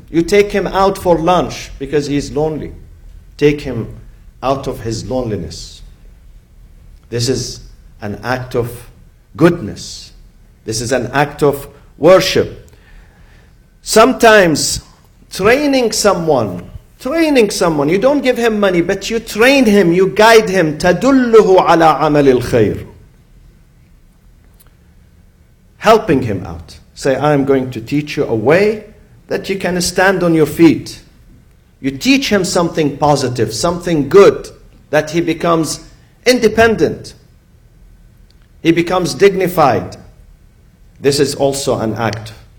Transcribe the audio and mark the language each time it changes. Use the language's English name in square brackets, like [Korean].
[English] You take him out for lunch because he's lonely. Take him out of his loneliness. This is an act of goodness. This is an act of worship. Sometimes training someone, you don't give him money, but you train him, you guide him. [Arabic] تَدُلُّهُ عَلَىٰ عَمَلِ الْخَيْرِ [English] Helping him out. Say, I'm going to teach you a way that you can stand on your feet. You teach him something positive, something good, that he becomes independent. He becomes dignified. This is also an act.